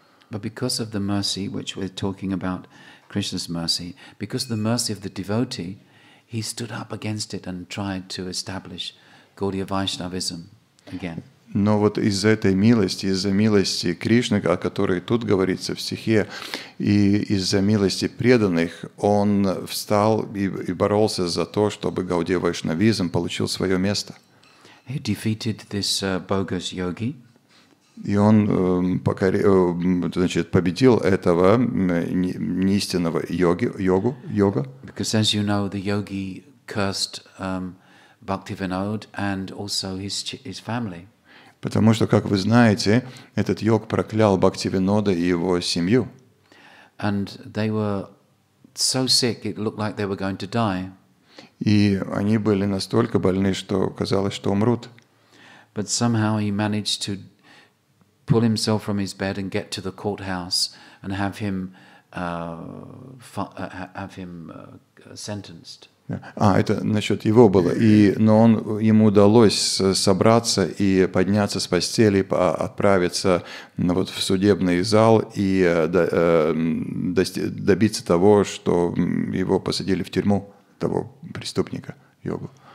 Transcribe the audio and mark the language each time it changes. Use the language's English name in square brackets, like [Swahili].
[English] But because of the mercy, which we're talking about, Krishna's mercy, because of the mercy of the devotee, he stood up against it and tried to establish Gaudiya Vaishnavism again. [Russian] Но вот из-за этой милости, из-за милости Кришны, о которой тут говорится в стихе, и из-за милости преданных, он встал и боролся за то, чтобы Гаудия Вайшнавизм получил свое место. [English] He defeated this bogus yogi. [Russian] И он победил этого неистинного йогу. [English] Because as you know, the yogi cursed Bhaktivinoda and also his family. [Russian] Потому что, как вы знаете, этот йог проклял Бхактивинода и его семью. [English] And they were so sick, it looked like they were going to die. [Russian] И они были настолько больны, что казалось, что умрут. [English] But somehow he managed to pull himself from his bed and get to the courthouse and have him sentenced. [Russian] Это насчет его было. И, но он, ему удалось собраться и подняться с постели, отправиться вот в судебный зал и добиться того, что его посадили в тюрьму, того преступника, Йогу.